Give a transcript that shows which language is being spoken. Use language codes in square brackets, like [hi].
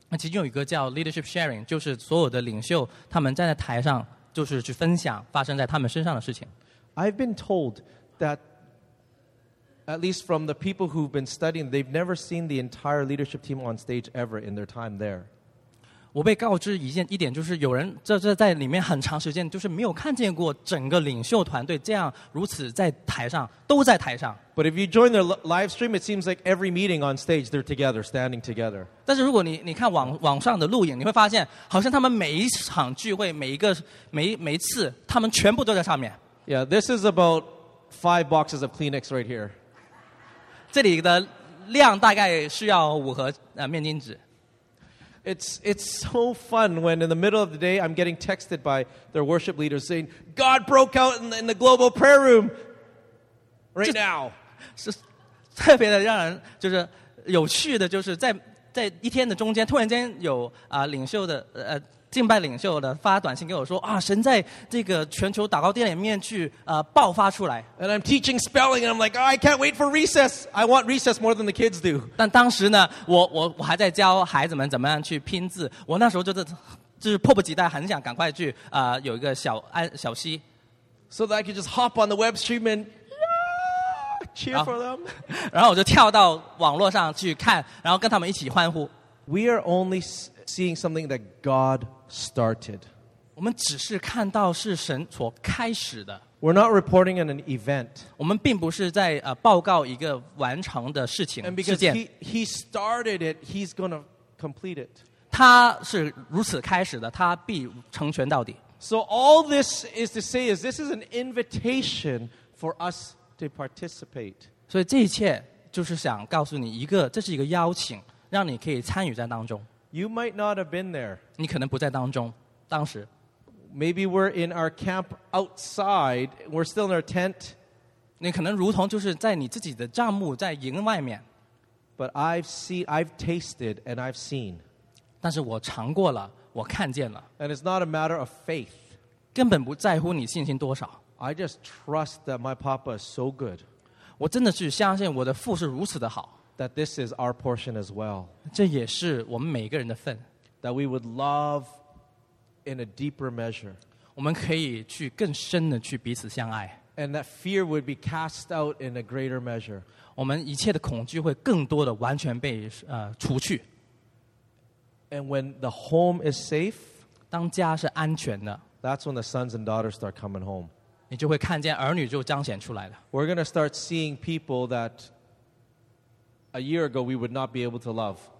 [zh] 其中有一个叫 leadership sharing, 就是所有的领袖他们站在台上就是去分享发生在他们身上的事情。 [en] I've been told that at least from the people who've been studying, they've never seen the entire leadership team on stage ever in their time there. [zh] 我被告知一点就是有人这在里面很长时间就是没有看见过整个领袖团队这样如此在台上都在台上。 [en] But if you join their live stream, it seems like every meeting on stage, they're together, standing together. [zh] 但是如果你看网上的录影，你会发现好像他们每一场聚会，每一次，他们全部都在上面。 [en] Yeah, this is about 5 boxes of Kleenex right here. [zh] 这里的量大概需要五盒面巾纸。 [en] It's so fun when in the middle of the day I'm getting texted by their worship leaders saying, God broke out in the global prayer room right now. [zh] 特别的让人就是有趣的就是在一天的中间突然间有领袖的敬拜领袖的发短信给我说啊，神在这个全球祷告殿里面去爆发出来。 [en] And I'm teaching spelling, and I'm like, oh, I can't wait for recess. I want recess more than the kids do. [zh] 但当时呢，我还在教孩子们怎么样去拼字。我那时候就是迫不及待，很想赶快去有一个小息。 [en] So that I could just hop on the web stream and cheer for them. [zh] 然后我就跳到网络上去看，然后跟他们一起欢呼。 [en] We are only. Seeing something that God started. [zh] 我们只是看到是神所开始的。 [en] We're not reporting on an event. [zh] 我们并不是在报告一个完成的事情。 [en] And because he started it, he's going to complete it. [zh] 他是如此开始的，他必成全到底。 [en] So all this is to say is this is an invitation for us to participate. [zh] 所以这一切就是想告诉你一个，这是一个邀请， 让你可以参与在当中。 [en] You might not have been there. [zh] 你可能不在当中， 当时。 [en] Maybe we're in our camp outside. We're still in our tent. [zh] 你可能如同就是在你自己的帐幕， 在营外面。 [en] But I've tasted and I've seen. [zh] 但是我尝过了， 我看见了。 [en] And it's not a matter of faith. [zh] 根本不在乎你信心多少。 [en] I just trust that my papa is so good. [zh] 我真的是相信我的父是如此的好。 [en] That this is our portion as well. [zh] 这也是我们每个人的份。 [en] That we would love in a deeper measure. [zh] 我们可以去更深的去彼此相爱。 [en] And that fear would be cast out in a greater measure. [zh] 我们一切的恐惧会更多的完全被除去。 [en] And when the home is safe, [zh] 当家是安全的, [en] that's when the sons and daughters start coming home. [zh] 你就会看见儿女就彰显出来了。 [en] We're going to start seeing people that a year ago we would not be able to love.